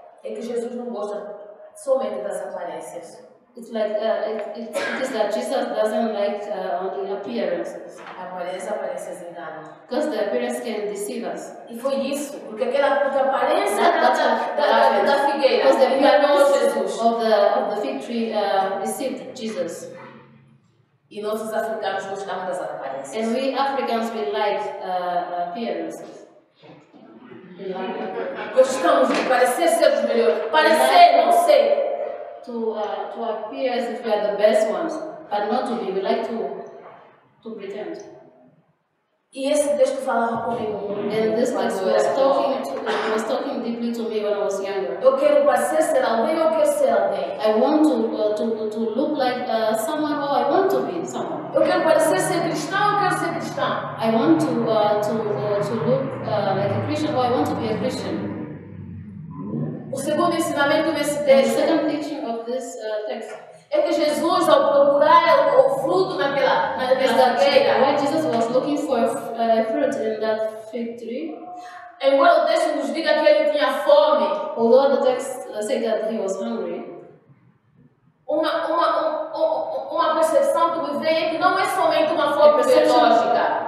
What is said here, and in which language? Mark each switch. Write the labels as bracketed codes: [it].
[pt] É que Jesus não gosta somente das aparências. [en] It's like it is that Jesus doesn't like only appearances. [pt] Aparências enganam. [en] Because the appearance can deceive us. [pt] E foi isso, porque aquela aparência da figueira enganou Jesus. [en] Of the fig tree deceived Jesus. [pt] E nós os africanos gostamos das aparências. [en] And we Africans we like appearances. [pt] Gostamos de parecer ser os melhores. Parecer, não ser. [en] To appear as if we are the best ones, but not to be. We like to pretend. [pt] E esse texto falava comigo. [en] And this text was talking deeply to me when I was younger. [pt] Eu quero parecer ser alguém, eu quero ser alguém. [en] I want to look like someone, or I want to be someone. [pt] Eu quero parecer ser cristão, eu quero ser cristão. [en] I want to look like a Christian, or I want to be a Christian. [pt] O segundo ensinamento desse texto. [en] The second teaching of this text. [pt] É que Jesus, ao procurar o fruto naquela figueira. [en] Why Jesus was looking for fruit in that fig tree. [pt] Embora o texto nos diga que ele tinha fome. [en] Although the text said that he was hungry. [pt] Uma percepção que me vem é que não é somente uma fome biológica.